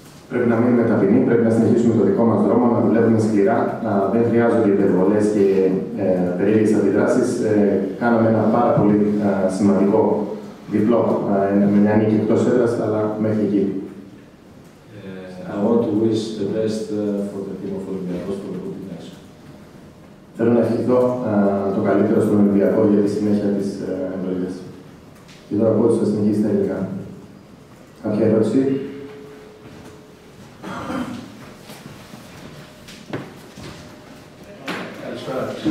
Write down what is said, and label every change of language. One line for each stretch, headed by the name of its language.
Greek: Πρέπει να μείνουμε ταπεινοί, πρέπει να συνεχίσουμε το δικό μας δρόμο, να δουλεύουμε σκληρά. Δεν χρειάζονται υπερβολές και περίεργες αντιδράσεις. Κάναμε ένα πάρα πολύ σημαντικό διπλό με μια νίκη εκτός έδρας, αλλά μέχρι εκεί.
English: I want to wish the best for the team of Olympiacos for the good next.
Greek: Θέλω να ευχηθώ το καλύτερο στον Ολυμπιακό για τη συνέχεια της εμπλοκής. Και τώρα πώς θα συνεχίσει τα υλικά. Κάποια ερώτηση. Καλησπέρα.